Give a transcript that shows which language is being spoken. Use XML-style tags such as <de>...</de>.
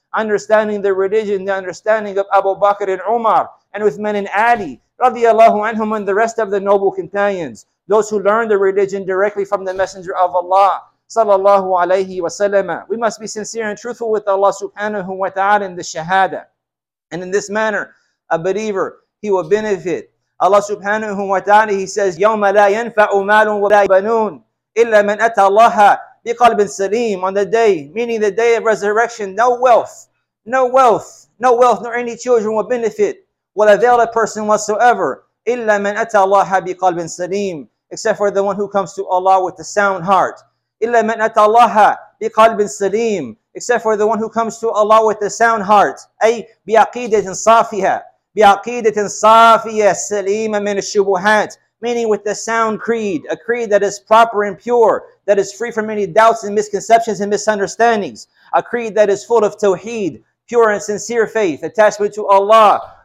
<en>Understanding the religion, the understanding of Abu Bakr and Umar, and Uthman and Ali radiallahu anhum, and the rest of the noble companions, those who learned the religion directly from the Messenger of Allah sallallahu alayhi wa sallam. We must be sincere and truthful with Allah subhanahu wa ta'ala in the shahada. And in this manner, a believer, he will benefit. Allah subhanahu wa ta'ala, he says,</en> <ar>يَوْمَ لَا يَنْفَعُ مَالٌ وَلَا بَنُونَ إِلَّا مَنْ أَتَى اللَّهَ بِقَلْبٍ سَلِيمٍ.</ar> <en>On the day, meaning the day of resurrection, no wealth, nor any children will benefit, will avail a person whatsoever,</en> <ar>إِلَّا مَنْ أَتَى اللَّهَ بِقَلْبٍ سَلِيمٍ,</ar> <en>except for the one who comes to Allah with a sound heart.</en> <ar>إِلَّا مَنْ أَتَى اللَّهَ بِقَلْبٍ سَلِيمٍ,</ar> <en>except for the one who comes to Allah with a sound heart,</en> <ar>أي بِعَقِيدَةٍ صَافِيَةٍ, بعقيدة صافية سليمة من الشبهات,</ar> <en>meaning with the sound creed, a creed that is proper and pure, that is free from any doubts and misconceptions and misunderstandings, a creed that is full of tawheed, pure and sincere faith, attachment to Allah</en>